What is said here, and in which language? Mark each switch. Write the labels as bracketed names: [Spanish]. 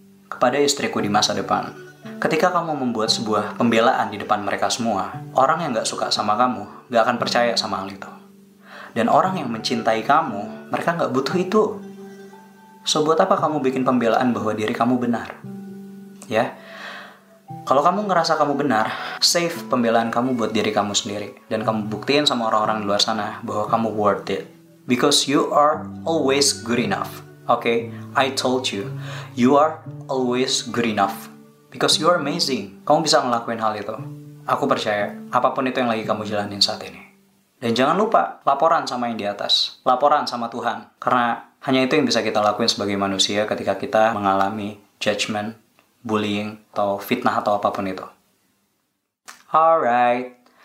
[Indonesian] Kepada istriku di masa depan, ketika kamu membuat sebuah pembelaan di depan mereka semua, orang yang gak suka sama kamu gak akan percaya sama hal itu. Dan orang yang mencintai kamu, mereka gak butuh itu. So, buat apa kamu bikin pembelaan bahwa diri kamu benar? Ya? Kalau kamu ngerasa kamu benar, save pembelaan kamu buat diri kamu sendiri. Dan kamu buktiin sama orang-orang di luar sana bahwa kamu [English] worth it. Because you are always good enough. Okay? I told you. You are always good enough. Because you are amazing. [Indonesian] Kamu bisa ngelakuin hal itu. Aku percaya, apapun itu yang lagi kamu jalanin saat ini. Dan jangan lupa, laporan sama yang di atas. Laporan sama Tuhan. Karena hanya itu yang bisa kita lakuin sebagai manusia ketika kita mengalami judgment, bullying, atau fitnah, atau apapun itu. Alright.